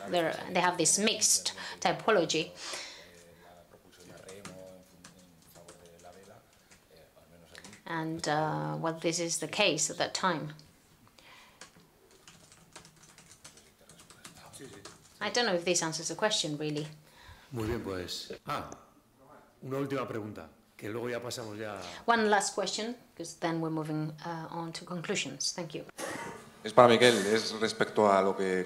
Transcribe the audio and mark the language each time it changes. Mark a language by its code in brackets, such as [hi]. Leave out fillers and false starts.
[en] They have this mixed typology. And, well, this is the case at that time. I don't know if this answers the question, really. [es] Muy bien, pues. Ah, una última pregunta, que luego ya pasamos ya... [en] One last question, because then we're moving on to conclusions. Thank you. [es] Es para Miquel, es respecto a lo que...